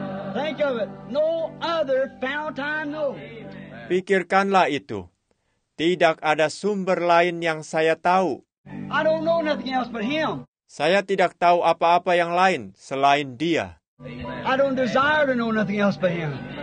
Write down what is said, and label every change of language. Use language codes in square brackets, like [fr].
[en] Think of it, no other fountain, no. [id] Pikirkanlah itu, tidak ada sumber lain yang saya tahu. [en] I don't know nothing else but Him. [id] Saya tidak tahu apa-apa yang lain selain Dia. [en] I don't desire to know nothing else but Him.